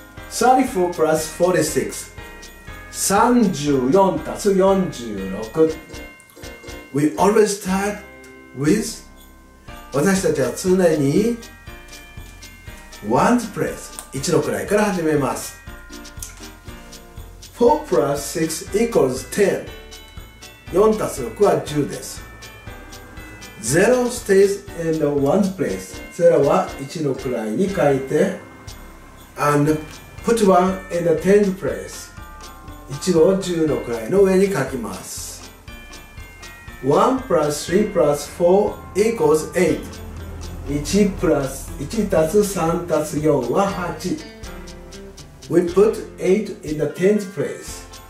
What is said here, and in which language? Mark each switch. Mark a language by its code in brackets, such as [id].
[en] 34 plus 46。 [ja] 34たす46。 [en] We always start with... [ja] 私たちは常に [en] 1's place [ja] 1の位から始めます。 [en] 4 plus 6 equals 10。 [ja] 4たす6は10です。 [en] 0 stays in the 1's place。 [ja] 0は1の位に書いて [en] and put 1 in the 10's place。 [ja] 1を10の位の上に書きます。 [en] 1 plus 3 plus 4 equals 8。 1 plus [ja] 1たす3たす4は8。 [en] We put 8 in the 10th place。